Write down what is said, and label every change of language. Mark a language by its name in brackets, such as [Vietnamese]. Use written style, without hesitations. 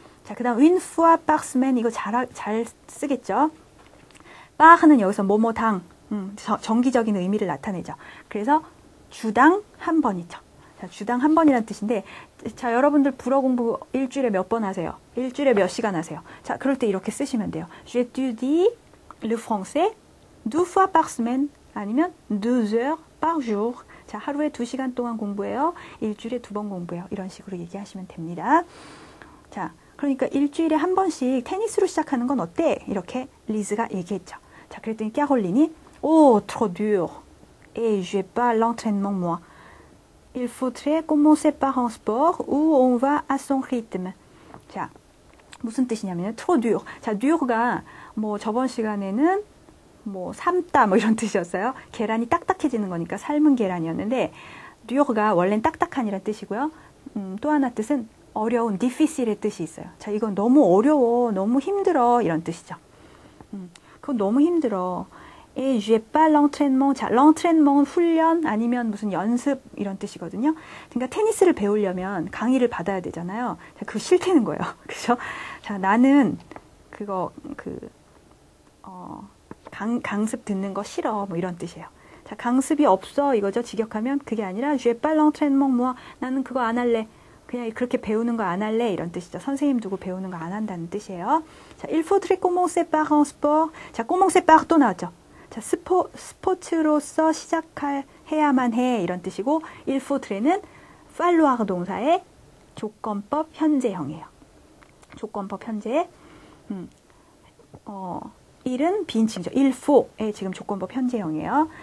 [Korean] 자, 그 다음 윈프와 박스맨 이거 잘 쓰겠죠. 빡은 여기서 뭐뭐당 정기적인 의미를 나타내죠. 그래서 주당 한 번이죠. 자, 주당 한 번이란 뜻인데, 자, 여러분들 불어 공부 일주일에 몇번 하세요? 일주일에 몇 시간 하세요? 자, 그럴 때 이렇게 쓰시면 돼요. [French] J'étudie le français deux fois par semaine, 아니면 deux heures par jour. [Korean] 자, 하루에 두 시간 동안 공부해요. 일주일에 두번 공부해요. 이런 식으로 얘기하시면 됩니다. 자, 그러니까 일주일에 한 번씩 테니스로 시작하는 건 어때? 이렇게 리즈가 얘기했죠. 자, 그랬더니 까홀린이, [French] Oh, trop dur. Et j'ai pas l'entraînement, moi. Il faudrait commencer par un sport où on va à son rythme. [Korean] 자, 무슨 뜻이냐면요. [French] Trop dur. [Korean] 자, dur가 뭐 저번 시간에는 뭐 삶다 뭐 이런 뜻이었어요. 계란이 딱딱해지는 거니까 삶은 계란이었는데, dur가 원래는 딱딱한이란 뜻이고요. 또 하나 뜻은 어려운, difficile의 뜻이 있어요. 자, 이건 너무 어려워, 너무 힘들어 이런 뜻이죠. 그건 너무 힘들어. [French] Et je pas l'entraînement. [Korean] 자, l'entraînement은 훈련 아니면 무슨 연습 이런 뜻이거든요. 그러니까 테니스를 배우려면 강의를 받아야 되잖아요. 자, 그거 싫대는 거예요. 그죠? 자, 나는 그거 그어강 강습 듣는 거 싫어. 뭐 이런 뜻이에요. 자, 강습이 없어. 이거죠. 직역하면 그게 아니라 [French] je pas l'entraînement moi. [Korean] 나는 그거 안 할래. 그냥 그렇게 배우는 거안 할래 이런 뜻이죠. 선생님 두고 배우는 거안 한다는 뜻이에요. [French] 자, il faudrait commencer par un sport. [Korean] 자, [French] commencer par [Korean] 또 나왔죠. 자, 스포츠로서 시작할 해야만 해 이런 뜻이고, il faudrait는 falloir 동사의 조건법 현재형이에요. 조건법 현재. 일은 비인칭이죠. il faut의 지금 조건법 현재형이에요.